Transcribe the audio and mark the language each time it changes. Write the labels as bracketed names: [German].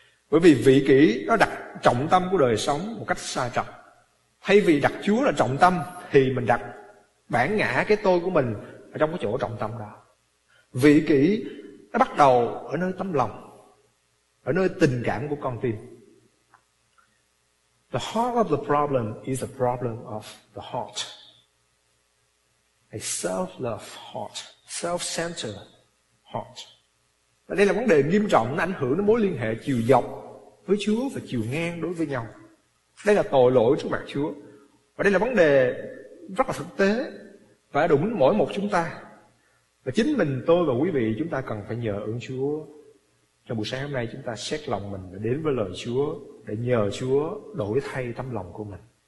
[Vietnamese] Bởi vì vị kỷ nó đặt trọng tâm của đời sống một cách sai trọng. Thay vì đặt Chúa là trọng tâm thì mình đặt bản ngã, cái tôi của mình ở trong cái chỗ trọng tâm đó. Vị kỷ nó bắt đầu ở nơi tấm lòng, ở nơi tình cảm của con tim. [English] The heart of the problem is the problem of the heart. A self-love heart, self-centered heart. [Vietnamese] Và đây là vấn đề nghiêm trọng, nó ảnh hưởng đến mối liên hệ chiều dọc với Chúa và chiều ngang đối với nhau. Đây là tội lỗi trước mặt Chúa. Và đây là vấn đề rất là thực tế và đụng đến mỗi một chúng ta. Và chính mình tôi và quý vị, chúng ta cần phải nhờ ơn Chúa. Trong buổi sáng hôm nay chúng ta xét lòng mình và đến với lời Chúa để nhờ Chúa đổi thay tấm lòng của mình.